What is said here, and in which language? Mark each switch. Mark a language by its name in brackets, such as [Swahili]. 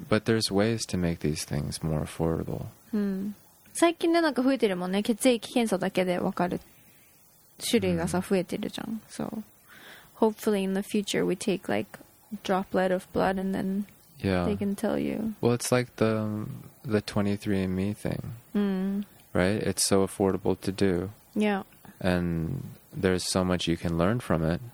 [English] but there's ways to make these things more affordable. [Japanese] 最近でなんか増えてるもんね。血液検査だけで分かる種類がさ、増えてるじゃん。 [English] So, hopefully in the future we take like droplet of blood and then yeah. they can tell you. Well, it's like the 23andMe thing. Right? It's so affordable to do. Yeah. And there's so much you can learn from it.